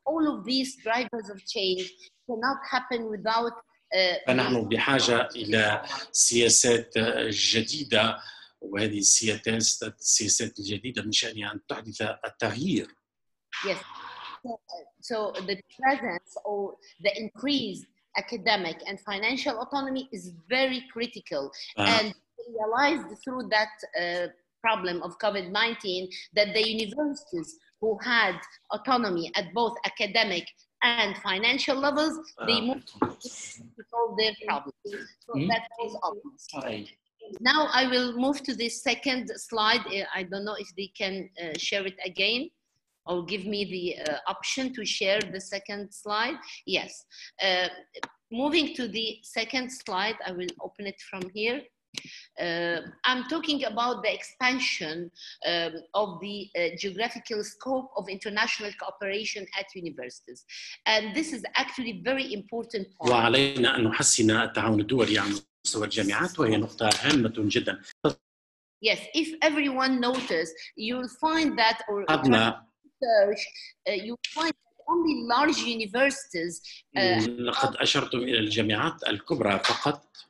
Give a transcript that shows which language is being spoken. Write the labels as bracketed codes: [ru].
[en] All of these drivers of change cannot happen without... [ar] فنحن بحاجة إلى سياسات جديدة وهذه السياسات الجديدة من شأنها أن تحدث التغيير. [en] Yes. So the presence or the increased academic and financial autonomy is very critical. And realized through that problem of COVID-19 that the universities who had autonomy at both academic and financial levels they moved to solve their problems. So that was obvious. Now I will move to the second slide. I don't know if they can share it again or give me the option to share the second slide. Yes. Moving to the second slide, I will open it from here. I'm talking about the expansion of the geographical scope of international cooperation at universities. And this is actually a very important point. [ar] وعلينا أن نحسن التعاون الدولي على مستوى الجامعات وهي نقطة هامة جدا. [en] Yes, if everyone noticed, you'll find that or research, you'll find only large universities. [ar] لقد أشرتم إلى الجامعات الكبرى فقط.